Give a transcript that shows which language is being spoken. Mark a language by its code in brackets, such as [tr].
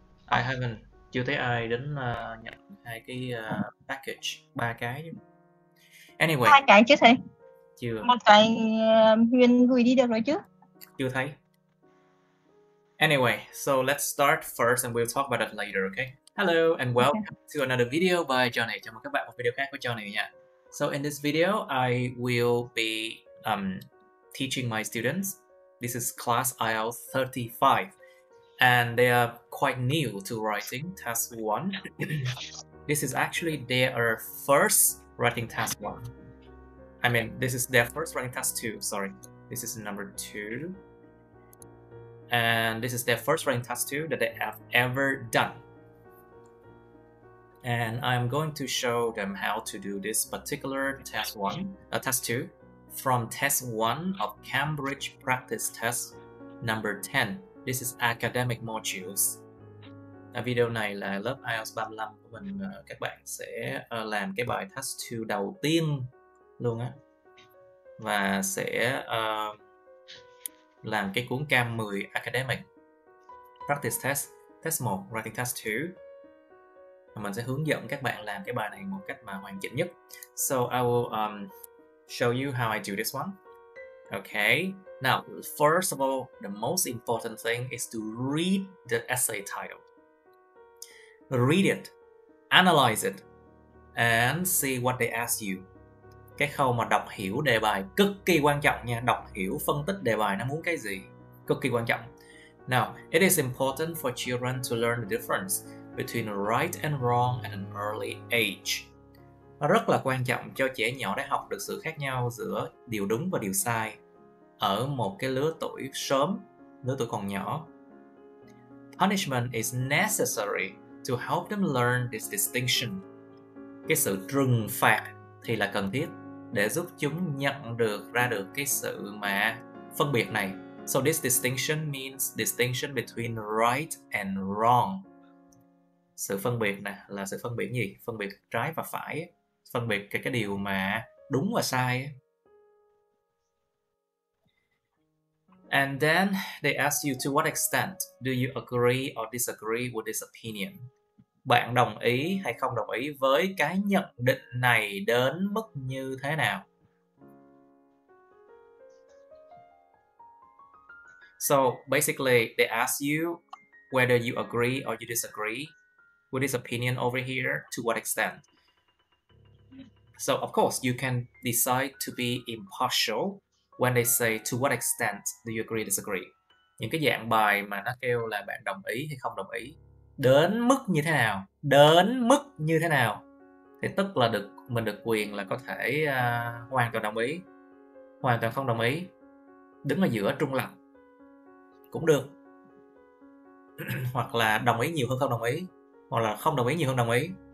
[en] I haven't, [vi] chưa thấy ai đến nhận hai cái package, ba cái. [en] Anyway, [vi] Hai cái chứ thầy, chưa một cái Huyền gửi đi được rồi chứ. chưa thấy. [en] Anyway, so let's start first and we'll talk about it later, okay? Hello and welcome to another video by Johnny. Chào mừng các bạn một video khác của Johnny nha. So in this video, I will be teaching my students. This is class IELTS 35. And they are quite new to writing task one. This is actually their first writing task one. I mean, this is their first writing task two, sorry. This is number two. And this is their first writing task two that they have ever done. And I'm going to show them how to do this particular task one, task two, from test one of Cambridge practice test number 10. This is academic modules. [vi] Ở video này là lớp IELTS 35 của mình, các bạn sẽ làm cái bài task 2 đầu tiên luôn á. Và sẽ làm cái cuốn cam 10 academic practice test, test 1, writing task 2. Và mình sẽ hướng dẫn các bạn làm cái bài này một cách mà hoàn chỉnh nhất. [en] So I will show you how I do this one. Okay. Now, first of all, the most important thing is to read the essay title. Read it, analyze it, and see what they ask you. [vi] Cái khâu mà đọc hiểu đề bài cực kỳ quan trọng nha. Đọc hiểu, phân tích đề bài nó muốn cái gì, cực kỳ quan trọng. [en] Now, it is important for children to learn the difference between right and wrong at an early age. [vi] Rất là quan trọng cho trẻ nhỏ để học được sự khác nhau giữa điều đúng và điều sai ở một cái lứa tuổi sớm, lứa tuổi còn nhỏ. [en] Punishment is necessary to help them learn this distinction. [vi] Cái sự trừng phạt thì là cần thiết để giúp chúng nhận được ra được cái sự mà phân biệt này. [en] So this distinction means distinction between right and wrong. [vi] Sự phân biệt nè là sự phân biệt gì? Phân biệt trái và phải, phân biệt cái điều mà đúng và sai. [en] And then they ask you to what extent do you agree or disagree with this opinion? [vi] Bạn đồng ý hay không đồng ý với cái nhận định này đến mức như thế nào? [en] So basically they ask you whether you agree or you disagree with this opinion over here, to what extent? So of course you can decide to be impartial. When they say to what extent do you agree or disagree, [vi] những cái dạng bài mà nó kêu là bạn đồng ý hay không đồng ý, đến mức như thế nào, đến mức như thế nào, thì tức là được, mình được quyền là có thể hoàn toàn đồng ý, hoàn toàn không đồng ý, đứng ở giữa trung lập cũng được, hoặc là đồng ý nhiều hơn không đồng ý, hoặc là không đồng ý nhiều hơn đồng ý.